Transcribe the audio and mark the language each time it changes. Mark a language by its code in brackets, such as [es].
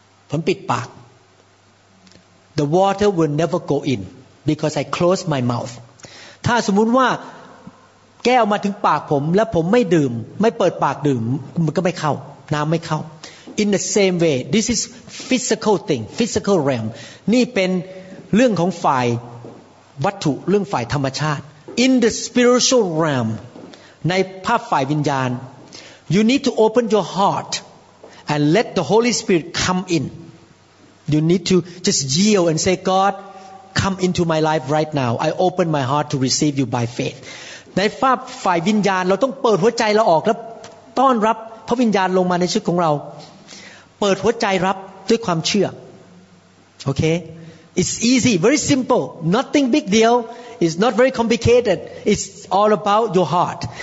[th] ผมปิดปาก [en] The water will never go in because I close my mouth [th] ถ้าสมมุติว่าแก้วมาถึงปากผมแล้วผมไม่ดื่มไม่เปิดปากดื่มมันก็ไม่เข้าน้ำไม่เข้า [en] In the same way this is physical thing physical realm [th] นี่เป็นเรื่องของฝ่าย วัตถุเรื่องฝ่ายธรรมชาติ [en] In the spiritual realm [th] ในภาพฝ่ายวิญญาณ [en] You need to open your heartAnd let the Holy Spirit come in. You need to just yield and say, God, come into my life right now. I open my heart to receive you by faith. [th] ในฝ่ายวิญญาณเราต้องเปิดหัวใจเราออกแล้วต้อนรับพระวิญญาณลงมาในชีวิตของเราเปิดหัวใจรับด้วยความเชื่อ Okay? [en] It's easy, very simple. Nothing big deal. It's not very complicated. It's all about your heart.